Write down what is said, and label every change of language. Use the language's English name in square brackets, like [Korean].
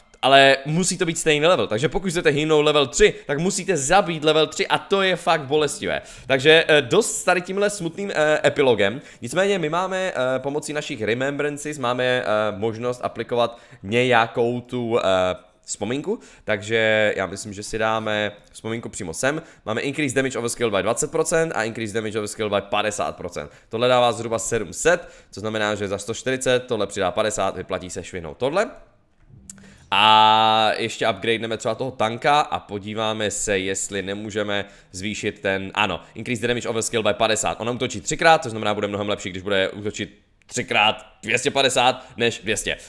[Czech] Ale musí to být stejný level, takže pokud chcete hýnout level 3, tak musíte zabít level 3 a to je fakt bolestivé. Takže dost tady tímhle smutným epilogem, nicméně my máme pomocí našich remembrances, máme možnost aplikovat nějakou tu vzpomínku, takže já myslím, že si dáme vzpomínku přímo sem. Máme [English] increase damage over skill by 20% [Czech] a [English] increase damage over skill by 50%. [Czech] Tohle dává zhruba 700, co znamená, že za 140 tohle přidá 50, vyplatí se švihnout tohle. A ještě upgradeneme třeba toho tanka a podíváme se, jestli nemůžeme zvýšit ten, ano, [English] increase the damage over skill by 50. [Czech] Ono útočí třikrát, což znamená, bude mnohem lepší, když bude útočit třikrát 250 než 200.